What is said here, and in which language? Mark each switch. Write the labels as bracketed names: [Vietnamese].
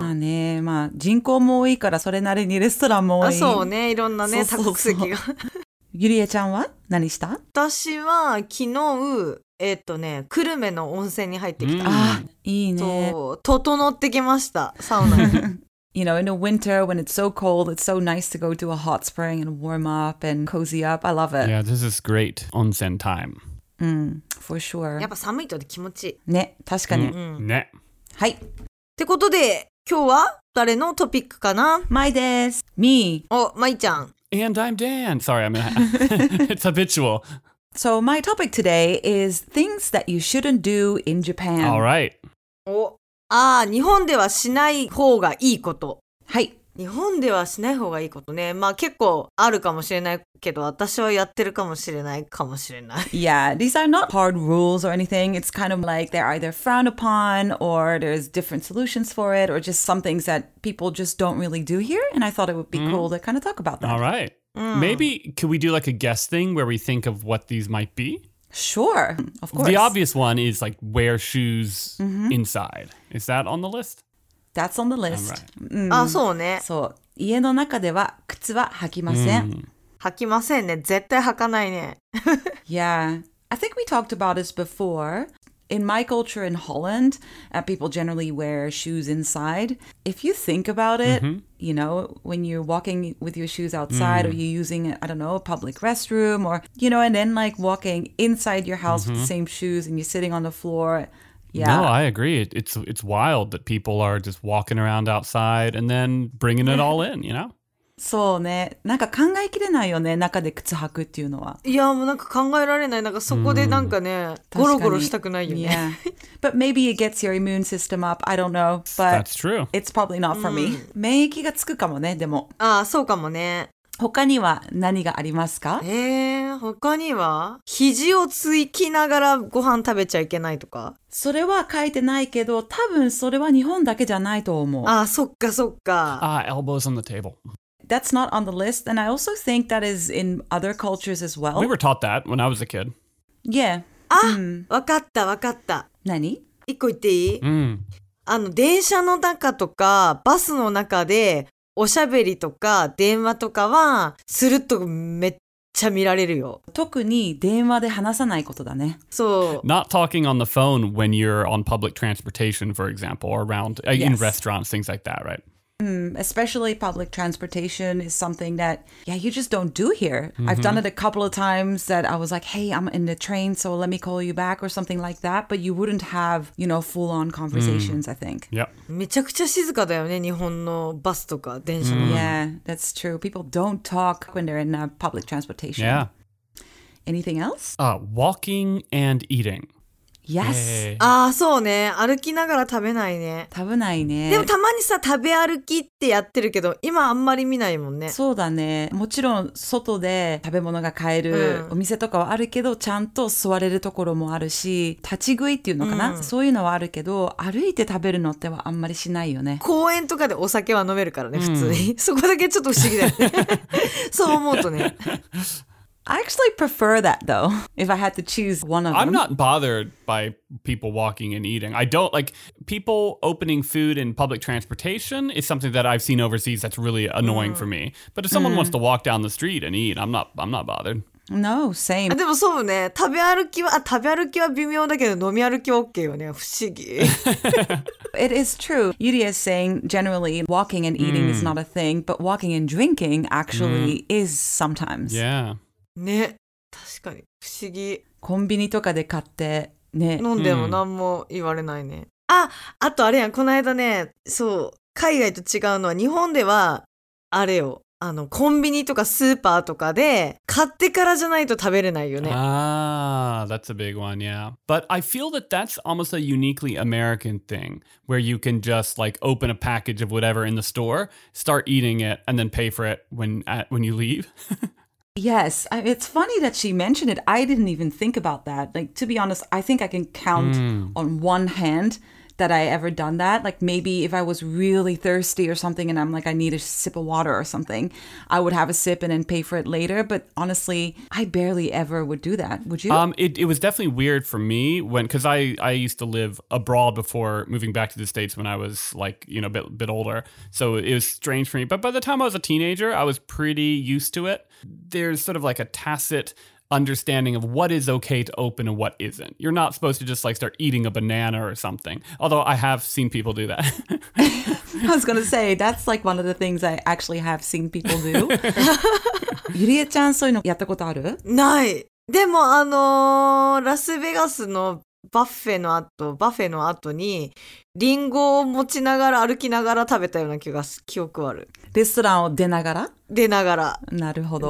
[Japanese] まあね、まあ人口も多いからそれなりにレストランも多い。あ、そうね、いろんなね、多国籍が。ゆりえちゃんは何した？私は昨日、久留米の温泉に入ってきた。あ、いいね。そう、整ってきました、サウナに。 [English] You know, in the winter when it's so cold, it's so nice to go to a hot spring and warm up and cozy up. I love it. Yeah, this is great 温泉 time. For sure. [Japanese] やっぱ寒いと気持ちいい。ね、確かに。ね。はい。ってことで、今日は誰のトピックかな？マイです。 [English] Me. [Japanese] お、マイちゃん。 [English] And I'm Dan. Sorry, I'm it's habitual. So my topic today is things that you shouldn't do in Japan. All right. [Japanese] Oh, ah, 日本ではしない方がいいこと。はい。日本ではしない方がいいことね。まあ結構あるかもしれないけど、私はやってるかもしれないかもしれない。 [English] Yeah, these are not hard rules or anything. It's kind of like they're either frowned upon or there's different solutions for it or just some things that people just don't really do here. And I thought it would be cool to kind of talk about that. All right. Maybe could we do like a guess thing where we think of what these might be? Sure, of course. The obvious one is like wear shoes inside. Is that on the list? That's on the list. Right. [Japanese] あ、そうね。そう。家の中では靴は履きません。履きませんね。絶対履かないね。 [English] Yeah. I think we talked about this before. In my culture in Holland, people generally wear shoes inside. If you think about it, you know, when you're walking with your shoes outside or you're using, I don't know, a public restroom or, you know, and then like walking inside your house with the same shoes and you're sitting on the floor... Yeah. No, I agree. It's wild that people are just walking around outside and then bringing it all in, you know? [Japanese] そうね。なんか考えきれないよね、中で靴履くっていうのは。いや、もうなんか考えられない。なんかそこでなんかね、ゴロゴロしたくないよね。 [English] Yeah. But maybe it gets your immune system up. I don't know. But That's true. It's probably not for me. [Japanese] 免疫がつくかもね、でも。ああ、そうかもね。他には何がありますか？他には肘をつきながらご飯食べちゃいけないとか。それは書いてないけど、多分それは日本だけじゃないと思う。ああ、そっかそっか。 [English] Ah, elbows on the table. That's not on the list, and I also think that is in other cultures as well. We were taught that when I was a kid. Yeah. [Japanese] あ、わかったわかった。何？一個言っていい？あの電車の中とかバスの中で。おしゃべりとか電話とかはするとめっちゃ見られるよ。特に電話で話さないことだね。そう。 [English] Not talking on the phone when you're on public transportation, for example, or around in restaurants, things like that, right? Especially public transportation is something that, yeah, you just don't do here. I've done it a couple of times that I was like, hey, I'm in the train, so let me call you back or something like that. But you wouldn't have, you know, full-on conversations, I think. Yep. [Japanese] めちゃくちゃ静かだよね、日本のバスとか電車の。 [English] Yeah, that's true. People don't talk when they're in public transportation. Yeah. Anything else? Walking and eating. Yes. [Japanese] ああ、そうね。歩きながら食べないね。食べないね。でもたまにさ、食べ歩きってやってるけど、今あんまり見ないもんね。そうだね。もちろん外で食べ物が買えるお店とかはあるけど、ちゃんと座れるところもあるし、立ち食いっていうのかな、そういうのはあるけど、歩いて食べるのってはあんまりしないよね。公園とかでお酒は飲めるからね、普通に。そこだけちょっと不思議だよね。そう思うとね。 [English] I actually prefer that though, if I had to choose one of them. I'm not bothered by people walking and eating. I don't like people opening food in public transportation is something that I've seen overseas that's really annoying for me. But if someone wants to walk down the street and eat, I'm not bothered. No, same. [Japanese] でもそうね、食べ歩きは微妙だけど、飲み歩きは OK よね。不思議。 [English] It is true. Yuria is saying generally walking and eating is not a thing, but walking and drinking actually is sometimes. Yeah. [Japanese] ね、確かに不思議。コンビニとかで買ってね、飲んでも何も言われないね。あとあれやん、この間ね、そう、海外と違うのは日本ではあれよ。あのコンビニとかスーパーとかで買ってからじゃないと食べれないよね。 [English] Ah, that's a big one, yeah. But I feel that that's almost a uniquely American thing, where you can just like open a package of whatever in the store, start eating it, and then pay for it when you leave. Yes, it's funny that she mentioned it. I didn't even think about that. Like, to be honest, I think I can count on one hand that I ever done that. Like maybe if I was really thirsty or something and I'm like, I need a sip of water or something, I would have a sip and then pay for it later. But honestly, I barely ever would do that. Would you? It was definitely weird for me when, because I used to live abroad before moving back to the States when I was like, you know, a bit older. So it was strange for me. But by the time I was a teenager, I was pretty used to it. There's sort of like a tacit understanding of what is okay to open and what isn't. You're not supposed to just like start eating a banana or something. Although I have seen people do that. I was going to say, that's like one of the things I actually have seen people do. Yuria-chan, [Japanese] そういうのやったことある? ない。でも、ラスベガスのバッフェの後にリンゴを持ちながら歩きながら食べたような記憶はある。レストランを出ながら? 出ながら。なるほど。